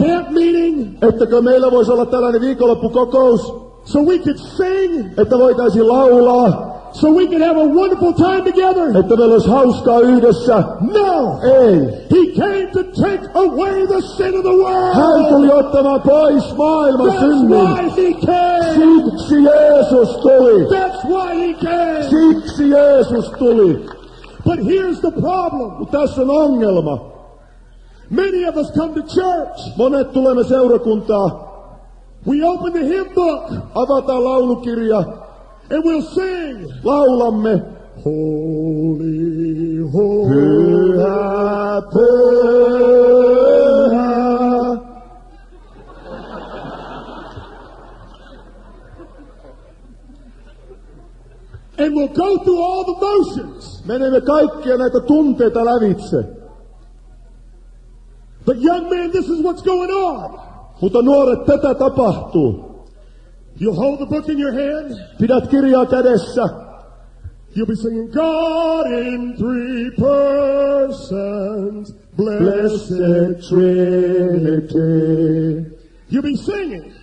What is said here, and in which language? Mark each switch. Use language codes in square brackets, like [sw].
[en] Meeting, [fi] ettäkö meillä voisi olla tällainen viikonloppukokous, [en] so we could sing, [fi] että voitaisiin laulaa, [en] so we can have a wonderful time together. [fi] Että meillä olisi hauskaa yhdessä. [en] No. [fi] Ei. [en] He came to take away the sin of the world. [fi] Hän tuli ottamaan pois maailman synnin. [en] That's why he came. [fi] Siksi Jeesus tuli. [en] That's why he came. [fi] Siksi Jeesus tuli. [en] But here's the problem. [fi] Tässä on ongelma. [en] Many of us come to church. [fi] Monet tulemme seurakuntaa. [en] We open the hymn book. [fi] Avataan laulukirja. [en] And we'll sing. [fi] Laulamme. [en] Holy, holy, [fi] pyhä, pyhä. [en] And we'll go through all the motions. [fi] Menemme kaikkia näitä tunteita lävitse. [en] But young man, this is what's going on. [fi] Mutta nuoret, tätä tapahtuu. [en] You hold the book in your hand. [fi] Pidät kirjaa kädessä. [en] You'll be singing God in three persons, blessed Trinity. You'll be singing.